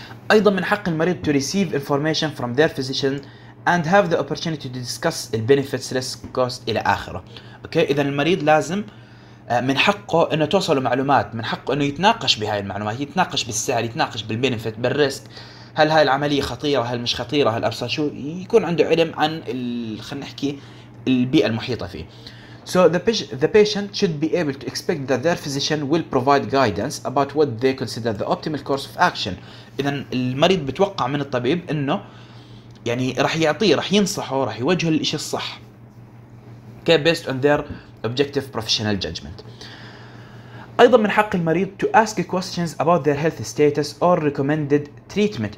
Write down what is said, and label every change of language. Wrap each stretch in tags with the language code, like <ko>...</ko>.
<ar>ايضا من حق المريض</ar> <en>to receive information from their physician and have the opportunity to discuss البينيفيتس risk cost</en> <ar>الى اخره. اوكي اذا المريض لازم من حقه انه توصلوا معلومات، من حقه انه يتناقش بهاي المعلومات، يتناقش بالسعر، يتناقش بالبينفيت بالريسك، هل هاي العمليه خطيره هل مش خطيره هل ابصر شو، يكون عنده علم عن خلينا نحكي البيئه المحيطه فيه.</ar> <en>So the patient should be able to expect that their physician will provide guidance about what they consider the optimal course of action.</en> <ar>إذا المريض بتوقع من الطبيب إنه يعني راح يعطيه راح ينصحه راح يوجهه للإشي الصح.</ar> <en>Okay, based on their objective professional judgment.</en> <ar>أيضا من حق المريض</ar> <en>to ask questions about their health status or recommended treatment.</en>